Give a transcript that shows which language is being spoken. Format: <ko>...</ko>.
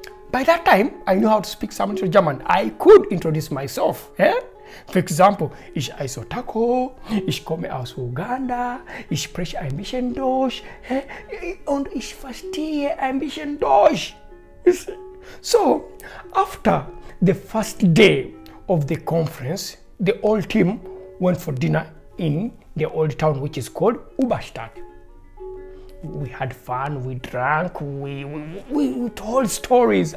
<en>By that time, I knew how to speak some little German. I could introduce myself. For example,</en> <de>Ich heiße Otako, Ich komme aus Uganda, Ich spreche ein bisschen Deutsch, und Ich verstehe ein bisschen Deutsch.</de> <en>So, after the first day of the conference, the whole team went for dinner in the old town, which is called Oberstadt. We had fun, we drank, we told stories.</en>